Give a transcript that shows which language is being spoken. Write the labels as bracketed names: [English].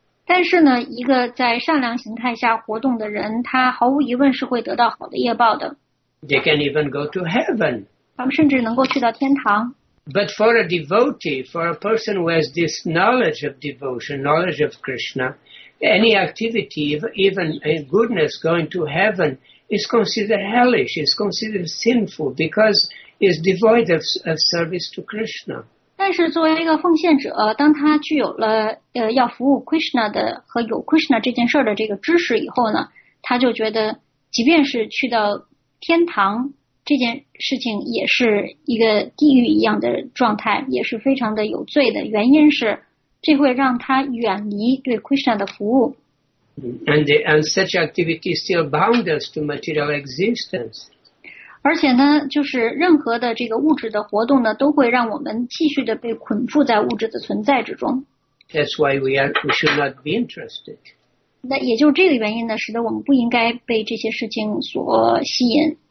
[Chinese] 但是呢，一个在善良形态下活动的人，他毫无疑问是会得到好的业报的。 [English] They can even go to heaven. [Chinese] 他们甚至能够去到天堂。 [English] But for a devotee, for a person who has this knowledge of devotion, knowledge of Krishna, any activity, even goodness going to heaven, is considered hellish, is considered sinful, because it's devoid of service to Krishna. [Chinese] 但是作为一个奉献者，当他具有了要服务 Krishna 的和有 Krishna 这件事的这个知识以后呢，他就觉得即便是去到天堂，这件事情也是一个地狱一样的状态，也是非常的有罪的。原因是，这会让他远离对 Krishna 的服务。 [English] And such activity still bound us to material existence. [Chinese] 而且呢，就是任何的这个物质的活动呢，都会让我们继续的被捆缚在物质的存在之中。 [English] That's why we should not be interested. [Chinese] 那也就这个原因呢，使得我们不应该被这些事情所吸引。